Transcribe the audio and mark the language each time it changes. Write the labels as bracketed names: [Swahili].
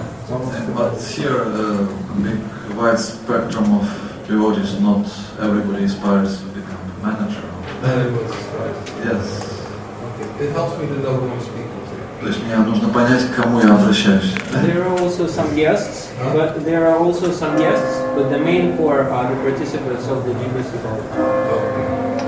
[English] Yeah, but here, a big wide spectrum of devotees, not everybody aspires to become a manager. Everybody aspires. Yes. Okay. It helps me to know who I'm speaking. [Russian] То есть мне нужно понять, к кому я обращаюсь. [English] There are also some guests, but there are also some guests, but the main core are the participants of the GBC call.